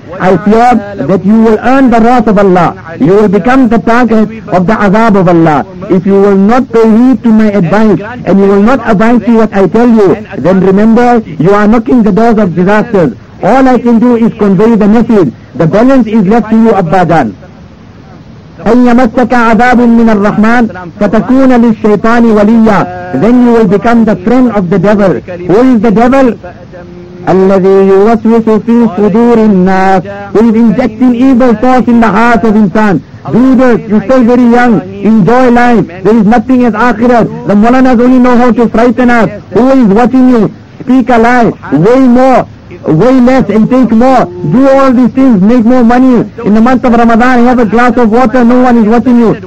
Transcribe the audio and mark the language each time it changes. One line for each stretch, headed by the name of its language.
English: I fear that you will earn the wrath of Allah. You will become the target of the azab of Allah. If you will not pay heed to my advice and you will not abide to what I tell you, then remember, you are knocking the doors of disaster. All I can do is convey the message. The balance is left to you, Abba Jan.
Arabic: أن يمسك عذاب من الرحمن فتكون للشيطان وليا.
English: Then you will become the friend of the devil. Who is the devil?
Arabic: الذي يوسوس في صدور الناس.
English: Who is injecting evil thoughts in the heart of insan. Leaders, you're still very young, enjoy life. There is nothing as akhirat. The mullahs only know how to frighten us. Who is watching you? Speak a lie, way more, weigh less and take more, do all these things, make more money in the month of Ramadan, have a glass of water, no one is watching you.